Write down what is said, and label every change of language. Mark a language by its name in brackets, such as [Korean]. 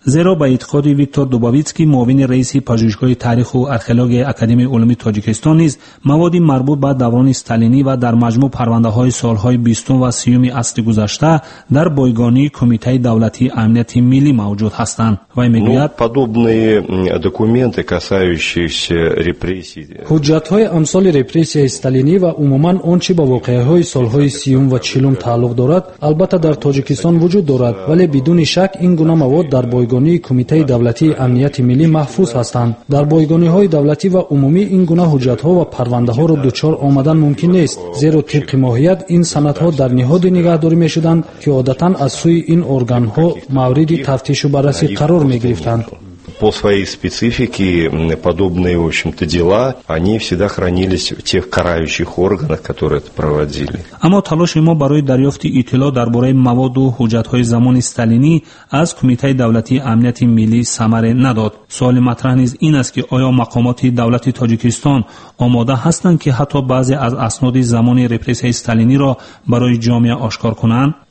[Persian] زیرا به اعتقاد ویکتور دوبویتسکی معاون رئیس پژوهشگاه تاریخ و ارخیولوژی اکادمی علوم تاجیکستان نیز مواد مربوط به دوران استالینی و در مجموع پرونده های سال های 20 و 30 اصل گذشته در بایگانی کمیته دولتی امنیت ملی موجود هستند و میگوید [Russian] подобные документы касающиеся репрессий [Persian] حجت های امثال رپریسی استالینی و عموما اون چی با واقعه های سال های 30 و 40 تعلق دارد البته در تاجیکستان وجود دارد، ولی بدون شک این گونه مواد در بایگانی کمیته دولتی امنیت ملی محفوظ هستند. در بایگانی های دولتی و عمومی این گونه حجت ها و پرونده ها را دوچار آمدن ممکن نیست، زیرا طبق ماهیت این سند ها در نهاد نگهداری می شدند که عادتا از سوی این ارگان ها مورد تفتیش و بررسی قرار می گرفتند. [Russian] По своей специфике подобные, в общем-то, дела, они всегда хранились в тех карающих органах, которые это проводили. [Tajik] Амо талоши мо барои дарёфти иттилоъ дар бораи маводу ҳуҷҷатҳои замони сталинӣ аз кумитаи давлатии амнияти миллӣ самара надод. Суоли матраҳ низ ин аст ки оё мақомоти давлати Тоҷикистон омода ҳастанд ки ҳатто баъзе аз аснади замони репрессияи сталиниро барои ҷомеа ошкор кунанд?